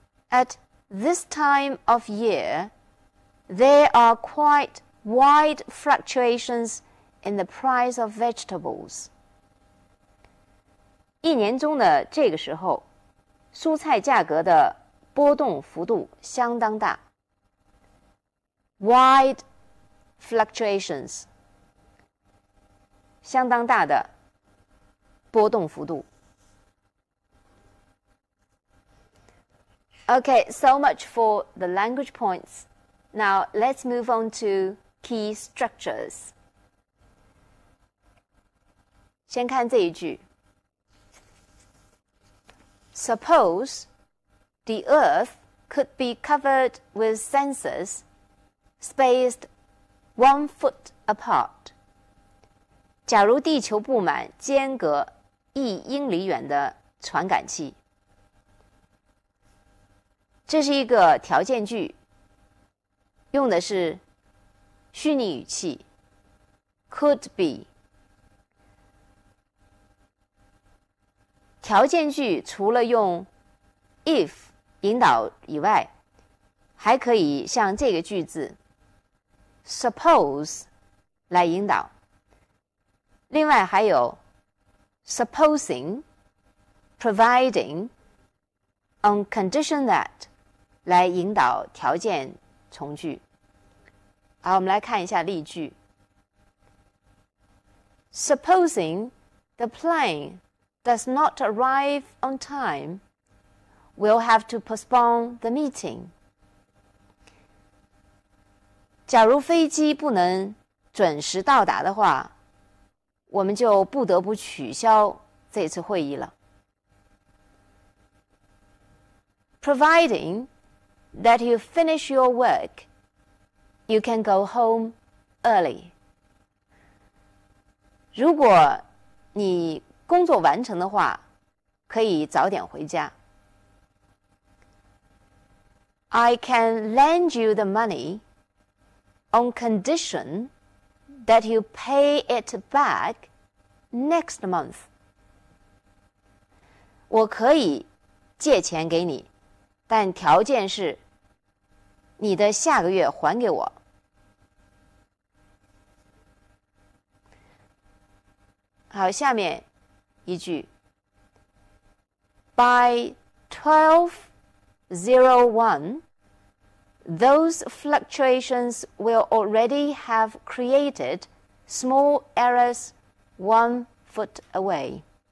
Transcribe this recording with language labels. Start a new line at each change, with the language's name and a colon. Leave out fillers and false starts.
English: At this time of year, there are quite wide fluctuations in the price of vegetables.
Chinese: 一年中的这个时候，蔬菜价格的波动幅度相当大。
English: Wide fluctuations，
Chinese: 相当大的波动幅度。
English: Okay, so much for the language points. Now let's move on to key structures.
Chinese: 先看这一句。
English: Suppose the Earth could be covered with sensors spaced 1 foot apart.
Chinese: 假如地球布满间隔1英里远的传感器，这是一个条件句，用的是虚拟语气
English: could be。
Chinese: 条件句除了用 if 引导以外，还可以像这个句子 suppose 来引导，另外还有
English: supposing, providing, on condition that,
Chinese: 来引导条件从句。好，我们来看一下例句。
English: Supposing the plane does not arrive on time, we'll have to postpone the meeting.
Chinese: 假如飞机不能准时到达的话，我们就不得不取消这次会议了。
English: Providing that you finish your work, you can go home early.
Chinese: 如果你工作完成的话，可以早点回家。
English: I can lend you the money on condition that you pay it back next month.
Chinese: 我可以借钱给你，但条件是你的下个月还给我。好，下面一句。
English: By 1201, those fluctuations will already have created small errors1 foot away.